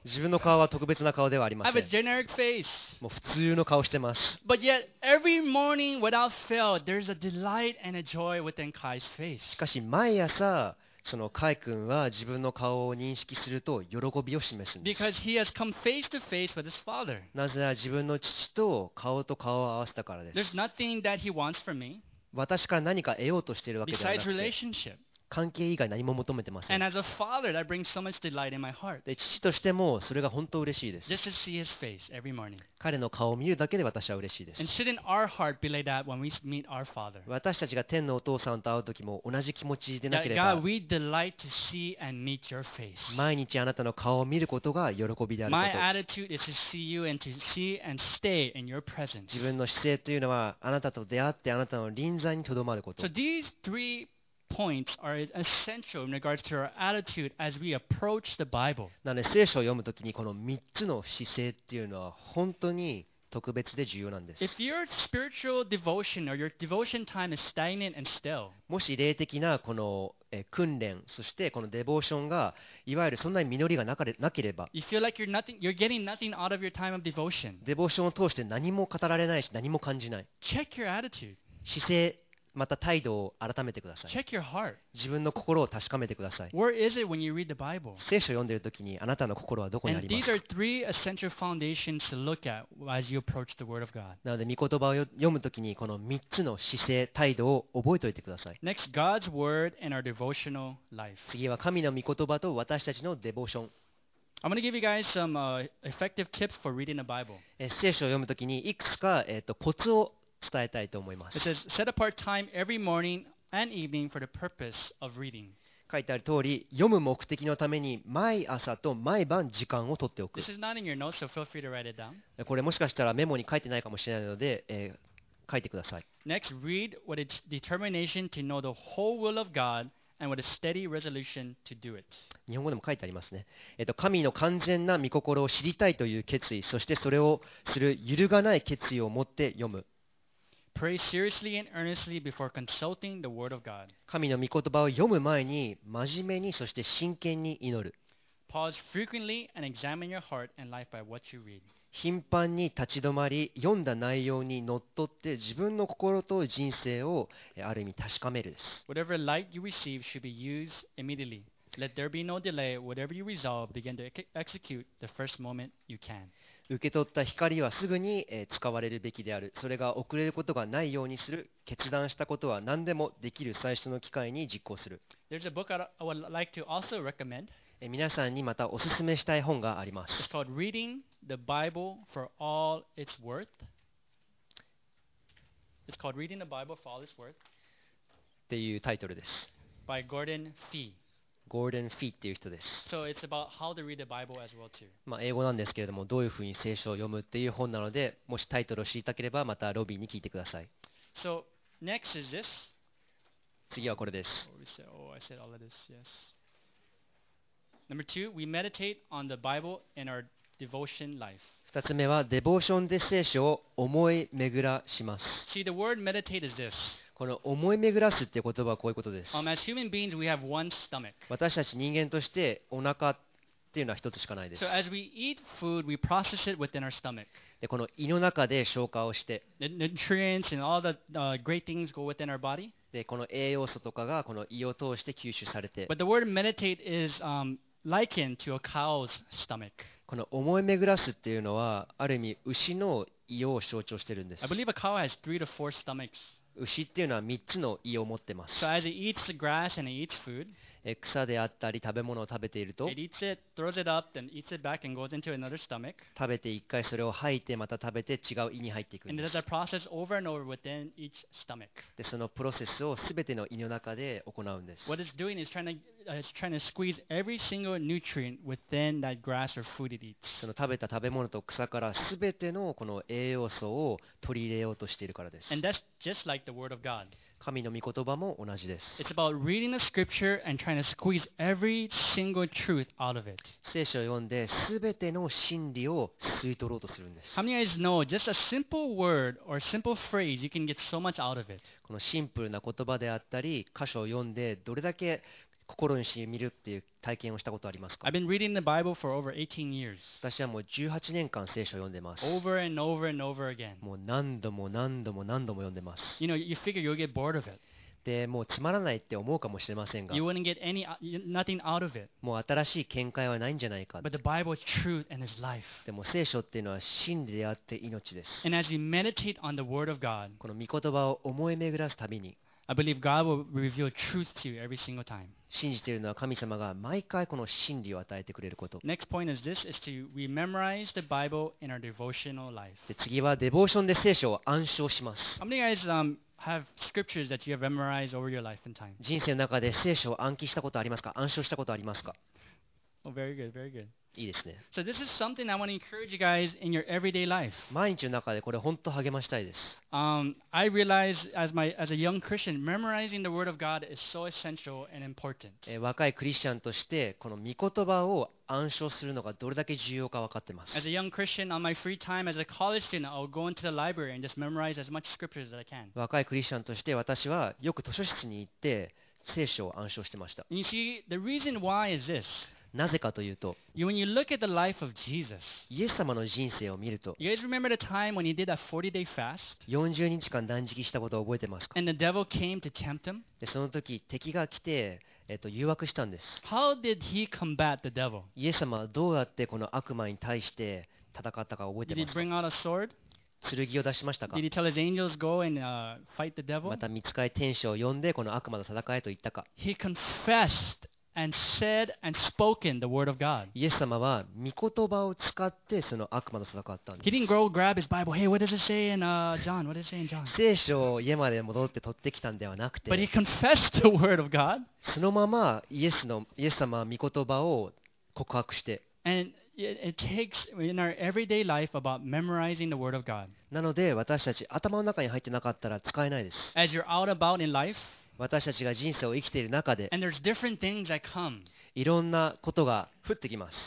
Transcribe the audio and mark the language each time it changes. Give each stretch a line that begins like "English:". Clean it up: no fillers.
Japanese: 自分の顔は特別な顔ではありません。
English: I have a generic face.
Japanese: もう普通の顔してます。
English: But yet, every morning without fail, there's a delight and a joy within Kai's face.
Japanese: しかし毎朝そのカイ君は自分の顔を認識すると喜びを示すんです。
English: Because he has come face to face with his father.
Japanese: なぜなら自分の父と顔と顔を合わせたからです。
English: There's nothing that he wants from me.
Japanese: 私から何か得ようとしているわけではなくて。
English: Besides relationship.
Japanese: 関係以外何も求めてません。
English: And as a father, that brings so much delight in my heart.
Japanese: で父としてもそれが本当嬉しいです。
English: Just to see his face every morning.
Japanese: 彼の顔を見るだけで私は嬉しいです。
English: And shouldn't our heart be like that when we meet our father?
Japanese: 私たちが天のお父さんと会う時も同じ気持ちでなければ。
English: God, we delight to see and meet your face.
Japanese: 毎日あなたの顔を見ることが喜びであること。
English: My attitude is to see you and to see and stay in your presence.
Japanese: 自分の姿勢というのはあなたと出会ってあなたの臨在にとどまること。
English: So these threepoints are essential in regards to our attitude as we approach the Bible.
Japanese: なので聖書を読むときにこの3つの姿勢っていうのは本当に特別で重要なんです。
English: If your spiritual devotion or your devotion time is stagnant and still,
Japanese: もし霊的なこの訓練そしてこのデボーションがいわゆるそんなに実りがなければ、
English: you feel like you're nothing, you're getting nothing out of your time of devotion.
Japanese: デボーションを通して何も語られないし何も感じない。
English: Check your attitude.
Japanese: 姿勢また態度を改めてください。
English: Check your heart.
Japanese: 自分の心を確かめてください。
English: Where is it when you read the Bible?
Japanese: 聖書を読んでいるときにあなたの心はどこにありますか?
English: And these are three essential foundations to look at as you approach the Word of God.
Japanese: なので御言葉を読むときにこの3つの姿勢、態度を覚えておいてください。
English: Next, God's Word and our devotional life.
Japanese: 次は神の御言葉と私たちのデボーション。
English: I'm going to give you guys some effective tips for reading the Bible.
Japanese: 聖書を読むときにいくつか、コツを伝えたいと思います。
English: It says, set apart time every morning and evening for the purpose of reading.
Japanese: 書いてある通り、読む目的のために毎朝と毎晩時間を取っておく。
English: This is not in your notes, so feel free to write it down.
Japanese: これもしかしたらメモに書いてないかもしれないので、書いてください。
English: Next, read with a determination to know the whole will of God. And with a steady resolution to do it.
Japanese: 日本語でも書いてありますね。神の完全な御心を知りたいという決意、そしてそれをする揺るがない決意を持って読む。
English: Pray seriously and earnestly before consulting the word of God.
Japanese: 神の御言葉を読む前に真面目にそして真剣に祈る。
English: Pause frequently and examine your heart and life by what you read.
Japanese: 頻繁に立ち止まり、読んだ内容にのっとって自分の心と人生をある意味確かめるです。
English: Whatever light you receive should be used immediately. Let there be no delay. Whatever you resolve, begin to execute the first moment you can.
Japanese: 受け取った光はすぐに使われるべきである。それが遅れることがないようにする。決断したことは何でもできる最初の機会に実行する。
English: There's a book I would like to also recommend.
Japanese: 皆さんにまたおすすめしたい本があります。
English: It's called Reading the Bible for All It's Worth. It's called Reading the Bible for All It's Worth.
Japanese: っていうタイトルです。
English: By Gordon Fee.
Japanese: Gordon Fee っていう人です。
English: So it's about how to read the Bible as well too.
Japanese: まあ英語なんですけれども、どういうふうに聖書を読むっていう本なので、もしタイトルを知りたければまたロビーに聞いてください。
English: So next is this.
Japanese: 次はこれです。
English: Oh, we said, oh, I said all of this, yes. Number two, we meditate on the Bible in our devotion life.
Japanese: 二つ目はデボーションで聖書を思い巡らします。
English: See, the word meditate is this.
Japanese: この思い巡らすっていう言葉はこういうことです。
English: As human beings, we have one stomach.
Japanese: 私たち人間としてお腹っていうのは一つしかないです。
English: So as we eat food, we process it within our stomach.
Japanese: で、この胃の中で消化をして。
English: The nutrients and all the great things go within our body.
Japanese: で、この栄養素とかがこの胃を通して吸収されて。
English: But the word meditate is, Liken to a cow's stomach.
Japanese: この思い巡らすっていうのはある意味牛の胃を象徴してるんです。
English: I believe a cow has three to four stomachs.
Japanese: 牛っていうのは3つの胃を持ってます。
English: So as it eats the grass and it eats food,
Japanese: 草であったり食べ物を食べていると、
English: it eats it, throws it up, then eats it back and goes into another stomach.
Japanese: 食べて一回それを吐いてまた食べて違う胃に入っていくんです。
English: And it does a process over and over within each stomach.
Japanese: でそのプロセスをすべての胃の中で行うんです。
English: What it's doing is trying to squeeze every single nutrient within that grass or food it eats.
Japanese: その食べた食べ物と草からすべてのこの栄養素を取り入れようとしているからです。
English: And that's just like the word of God.
Japanese: 神の御言葉も同じです。
English: It's about reading the scripture and trying to squeeze every single truth out of it.
Japanese: 聖書を読んで全ての真理を吸い取ろうとするんです。
English: How many guys know just a simple word or simple phrase you can get so much out of it?
Japanese: このシンプルな言葉であったり、箇所を読んでどれだけ心に染みるっていう体験をしたことありますか?
English: I've been reading the Bible for over 18 years.
Japanese: 私はもう18年間聖書を読んでます。
English: Over and over and over again.
Japanese: もう何度も何度も何度も読んでます。
English: You know, you figure you'll get bored of it.
Japanese: で、もうつまらないって思うかもしれませんが。
English: You wouldn't get any, nothing out of it.
Japanese: もう新しい見解はないんじゃないか。
English: But the Bible is truth and is life.
Japanese: でも聖書っていうのは真理であって命です。
English: And as you meditate on the Word of God,
Japanese: この御言葉を思い巡らすたびに、
English: I believe God will reveal truth to you every single time.
Japanese: 信じているのは神様が毎回この真理を与えてくれること。
English: Next point is this, is to we memorize the Bible in our devotional life.
Japanese: で、次はデボーションで聖書を暗唱します。
English: How many guys, have scriptures that you have memorized over your life and time?
Japanese: 人生の中で聖書を暗記したことありますか？暗唱したことありますか？
English: Oh, very good, very good.
Japanese: いいですね。
English: So this is something I want to encourage you guys in your everyday life.
Japanese: 毎日の中でこれ本当励ましたいです。
English: I realize as a young Christian, memorizing the word of God is so essential and important.
Japanese: 若いクリスチャンとしてこの御言葉を暗唱するのがどれだけ重要か分かってます。
English: As a young Christian, on my free time as a college student, I'll go into the library and just memorize as much scriptures as I can.
Japanese: 若いクリスチャンとして私はよく図書室に行って聖書を暗唱してました。
English: You see, the reason why is this.
Japanese: なぜかというと、
English: When you look at the life of Jesus,
Japanese: イエス様の人生を見ると、
English: You guys remember the time when he did that 40 day fast?
Japanese: 40日間断食したことを覚えてますか?
English: And the devil came to tempt him?
Japanese: で、その時、敵が来て、誘惑したんです。
English: How did he combat the devil?
Japanese: イエス様はどうやってこの悪魔に対して戦ったか覚えてますか?
English: Did he bring out a sword?
Japanese: 剣を出しましたか?
English: Did he tell his angels go and fight the devil?
Japanese: また御使い天使を呼んでこの悪魔と戦えと言ったか?
English: He confessed. And said and spoken the word of God.
Japanese: イエス様は御言葉を使ってその悪魔と戦ったんです。
English: He didn't go grab his Bible. Hey, what does it say in John? What does it say in John?
Japanese: 聖書を家まで戻って取ってきたんではなくて、
English: But he confessed the word of God.
Japanese: そのままイエス様は御言葉を告白して、
English: And it takes in our everyday life about memorizing the word of God.
Japanese: なので私たち頭の中に入ってなかったら使えないです。
English: As you're out about in life.
Japanese: 私たちが人生を生きている中で、
English: And there's different things that come.
Japanese: いろんなことが降ってきます。